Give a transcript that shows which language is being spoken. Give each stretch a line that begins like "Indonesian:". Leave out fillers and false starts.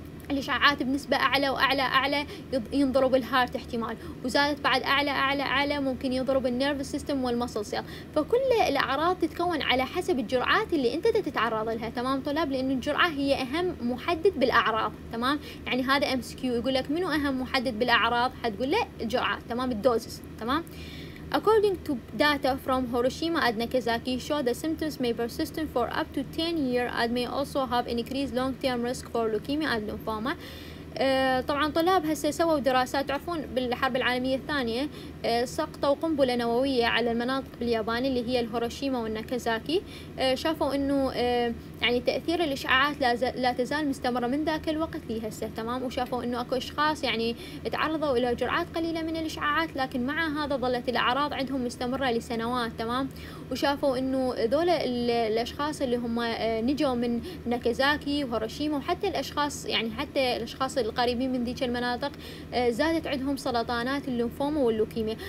Arabic: الإشعاعات بنسبة أعلى وأعلى أعلى ينضرب الهارت احتمال، وزادت بعد أعلى أعلى أعلى ممكن يضرب النيرف سيستم والمسل سيل، فكل الأعراض تتكون على حسب الجرعات اللي أنت تتعرض لها، تمام طلاب، لأن الجرعة هي أهم محدد بالأعراض، تمام، يعني هذا MCQ يقول لك منو أهم محدد بالأعراض، حتقول له الجرعات، تمام، الدوزز، تمام.
English: According to data from Hiroshima and Nagasaki, show the symptoms may persist for up to 10 years and may also have increased long-term risk for leukemia and lymphoma.
Arabic: طبعا طلاب هسه سووا دراسات، تعرفون بالحرب العالميه الثانيه سقطوا قنبله نوويه على المناطق باليابان اللي هي الهيروشيما والناكازاكي، شافوا انه يعني تاثير الاشعاعات لا تزال مستمره من ذاك الوقت لهسه، تمام، وشافوا انه اكو اشخاص يعني تعرضوا الى جرعات قليله من الاشعاعات لكن مع هذا ظلت الاعراض عندهم مستمره لسنوات، تمام، وشافوا انه ذول الاشخاص اللي هم نجوا من ناكازاكي وهيروشيما وحتى الاشخاص يعني حتى الاشخاص القريبين من ذيك المناطق زادت عندهم سرطانات اللمفوما واللوكيميا.